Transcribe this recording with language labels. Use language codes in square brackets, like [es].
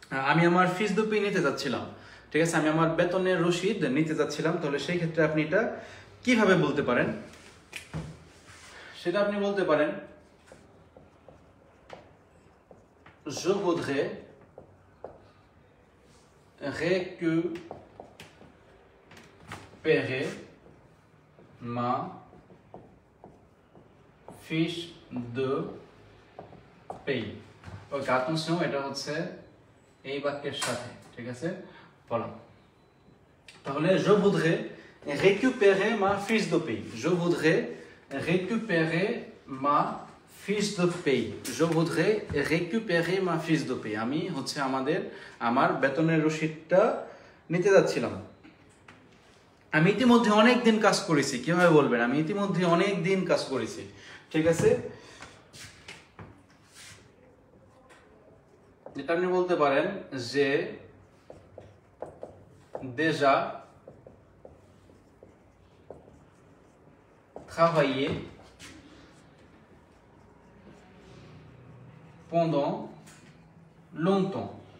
[bn] আমি আমার ফিস দোপেই নিতে চাচ্ছিলাম, ঠিক আছে, আমি আমার বেতনের রসিদ নিতে চাচ্ছিলাম, তাহলে সেই ক্ষেত্রে আপনি এটা কিভাবে বলতে পারেন, সেটা আপনি বলতে পারেন [fr] জো ভুদ্রে রেকুপেরে ma fiche de paye. Ok, attention, [bn] এটা হচ্ছে এই বাক্যের সাথে, ঠিক আছে, বলো। [fr] তাহলে je voudrais récupérer ma fiche de paye. Je voudrais récupérer ma fiche de paye. Je voudrais récupérer ma fiche de paye. [bn] আমি হচ্ছে আমাদের আমার বেতনের রসিদটা নিতে যাচ্ছিলাম। আমি ইতিমধ্যে অনেক দিন কাজ করেছি, কিভাবে বলবেন, আমি ইতিমধ্যে অনেক দিন কাজ করেছি, ঠিক আছে, যেটা আপনি বলতে পারেন যে [fr] déjà travaillé pendant longtemps.